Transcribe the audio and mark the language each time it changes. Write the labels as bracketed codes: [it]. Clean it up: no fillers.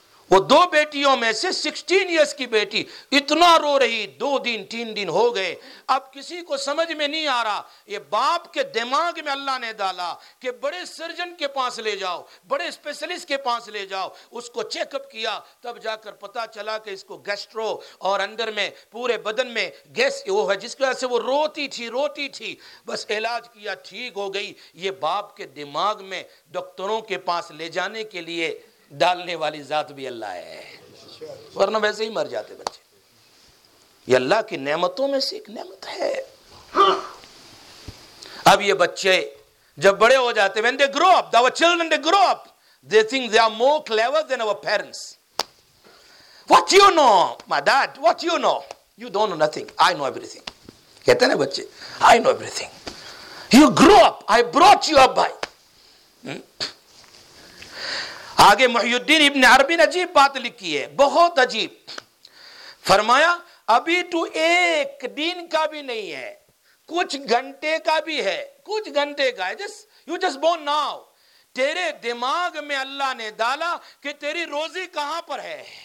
[ur] وہ دو بیٹیوں میں سے 16 ایئرس کی بیٹی اتنا رو رہی، دو دن تین دن ہو گئے، اب کسی کو سمجھ میں نہیں آ رہا، یہ باپ کے دماغ میں اللہ نے ڈالا کہ بڑے سرجن کے پاس لے جاؤ، بڑے اسپیشلسٹ کے پاس لے جاؤ، اس کو چیک اپ کیا، تب جا کر پتا چلا کہ اس کو گیسٹرو اور اندر میں پورے بدن میں گیس وہ ہے، جس کی وجہ سے وہ روتی تھی، بس علاج کیا ٹھیک ہو گئی. یہ باپ کے دماغ میں ڈاکٹروں کے پاس لے جانے کے لیے ڈالنے والی ذات بھی اللہ ہے، ورنہ ویسے ہی مر جاتے بچے. یہ اللہ کی نعمتوں میں سے ایک نعمت ہے. اب یہ بچے جب بڑے ہو جاتے، [en] when they grow up, our children, they grow up, they think they are more clever than our parents. What you know, my dad, what you know? You don't know nothing, I know everything. [ur] کہتے ہیں بچے، [en] I know everything. You grow up, I brought you up, [ur] bhai. آگے محی الدین ابن عربی نے عجیب بات لکھی ہے، بہت عجیب، فرمایا ابھی تو ایک دن کا بھی نہیں ہے، کچھ گھنٹے کا بھی ہے، کچھ گھنٹے کا ہے، [en] you just born now. [ur] تیرے دماغ میں اللہ نے ڈالا کہ تیری روزی کہاں پر ہے.